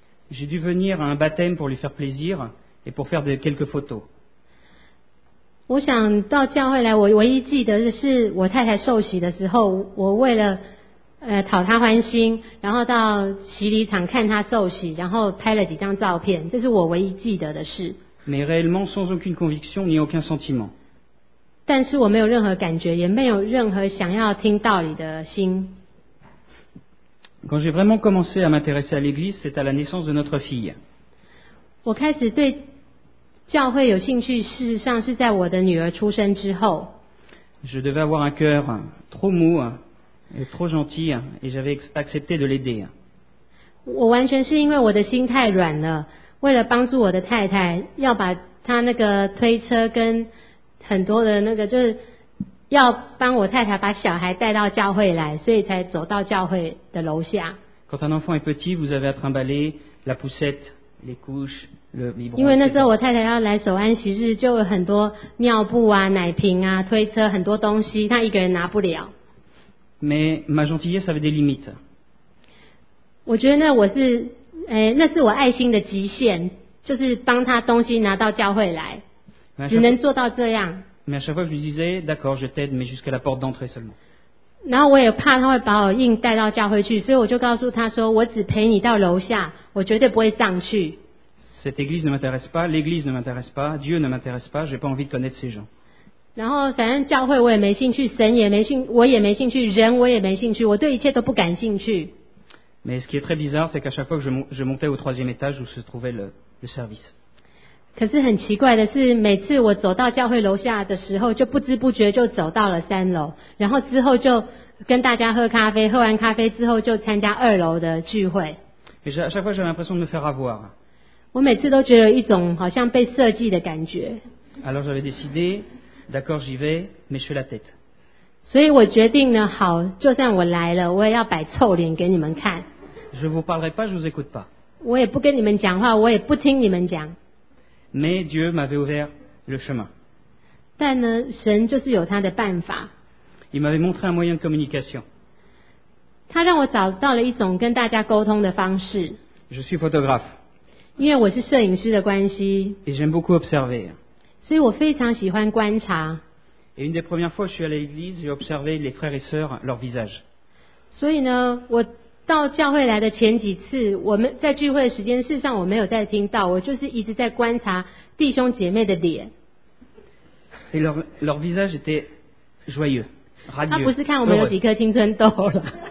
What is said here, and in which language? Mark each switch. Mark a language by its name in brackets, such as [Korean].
[French] J'ai dû venir à un baptême pour lui faire plaisir et pour faire quelques photos. [Chinese] 我想到教会来，我唯一记得的是我太太受洗的时候，我为了讨她欢心，然后到洗礼场看她受洗，然后拍了几张照片，这是我唯一记得的事。 [French] Mais réellement sans aucune conviction ni aucun sentiment。 [Chinese] 但是我没有任何感觉，也没有任何想要听道理的心。 [French] Quand j'ai vraiment commencé à m'intéresser à l'Église, c'est à la naissance de notre fille. [Chinese] 我开始对教会有兴趣，事实上是在我的女儿出生之后。 [French] Je devais avoir un cœur trop mou et trop gentil, et j'avais accepté de l'aider. [Chinese] 我完全是因为我的心太软了，为了帮助我的太太，要把她那个推车跟很多的那个，就是要帮我太太把小孩带到教会来，所以才走到教会的楼下。 [French] Quand un enfant est petit, vous avez à trimballer la poussette, les couches, le biberon. [Chinese] 因为那时候我太太要来守安息日，就有很多尿布啊、奶瓶啊、推车，很多东西，她一个人拿不了。 [French] Mais ma gentillesse avait des limites. [Chinese] 我觉得那我是，那是我爱心的极限，就是帮她东西拿到教会来，只能做到这样。 [French] Mais à chaque fois, je lui disais, d'accord, je t'aide, mais jusqu'à la porte d'entrée seulement. [Chinese] 然后我也怕他会把我硬带到教会去，所以我就告诉他说，我只陪你到楼下，我绝对不会上去。 [French] Cette église ne m'intéresse pas, l'église ne m'intéresse pas, Dieu ne m'intéresse pas, j'ai pas envie de connaître ces gens. [Chinese] 然后反正教会我也没兴趣，神也没兴，我也没兴趣，人我也没兴趣，我对一切都不感兴趣。 [French] Mais ce qui est très bizarre, c'est qu'à chaque fois que je montais au troisième étage où se trouvait le service. [Chinese] 可是很奇怪的是，每次我走到教会楼下的时候，就不知不觉就走到了三楼，然后之后就跟大家喝咖啡，喝完咖啡之后就参加二楼的聚会。 [French] Et à chaque fois, j'ai l'impression de me faire avoir. [Chinese] 我每次都觉得一种好像被设计的感觉。 [French] Alors j'avais décidé, d'accord, j'y vais, mais je fais la tête. [Chinese] 所以我决定呢，好，就算我来了，我也要摆臭脸给你们看。 [French] Je vous parlerai pas, je vous écoute pas. [Chinese] 我也不跟你们讲话，我也不听你们讲。 [French] Mais Dieu m'avait ouvert le chemin. [Chinese] 但呢，神就是有他的办法。 [French] Il m'avait montré un moyen de communication. [Chinese] 他让我找到了一种跟大家沟通的方式。 [French] Je suis photographe. [Chinese] 因为我是摄影师的关系。 [French] Et j'aime beaucoup observer. [Chinese] 所以我非常喜欢观察。 [French] Et une des premières fois, je suis allé à l'église, j'ai observé les frères et sœurs, leurs visages. [Chinese] 所以呢，我到教会来的前几次，我们在聚会的时间，事实上我没有在听到，我就是一直在观察弟兄姐妹的脸。 [French] Et leur visage était joyeux, radieux. [Chinese] 他不是看我们有几颗青春痘了。